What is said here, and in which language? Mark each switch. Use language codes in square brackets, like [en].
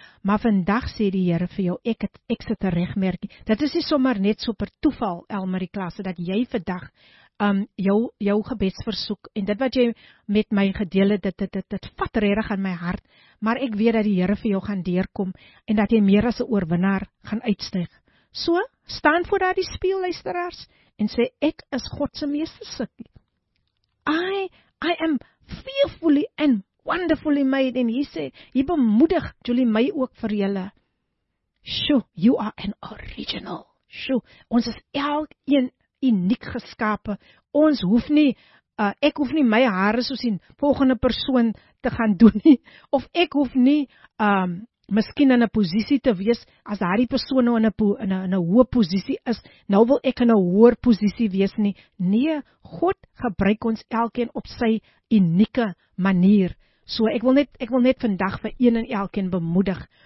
[af] Maar vandag sê die Here vir jou, ek sit 'n regmerkie. Dit is nie sommer net so per toeval, Almarie Klasse, dat jy vandag jou gebedsversoek en dit wat jy met my gedeel het, dit vat regtig aan my hart. Maar ek weet dat die Here vir jou gaan deurkom en dat jy meer as 'n oorwinnaar gaan uitstyg. So, staan voor daardie spieël, luisteraars, en sê, ek is God se meesterstukkie. [en] I am fearfully and wonderfully made. [af] En hy sê, hy bemoedig Julie my ook vir julle. [en] Sjoe, you are an original. [af] Sjoe, ons is elk een uniek geskape. Ons hoef nie, ek hoef nie my hare soos die volgende persoon te gaan doen nie. Of ek hoef nie, miskien in 'n posisie te wees, as daardie persoon nou in 'n hoë posisie is, nou wil ek in 'n hoër posisie wees nie. Nee, God gebruik ons elkeen op sy unieke manier. So ek wil net vandag vir een en elkeen bemoedig.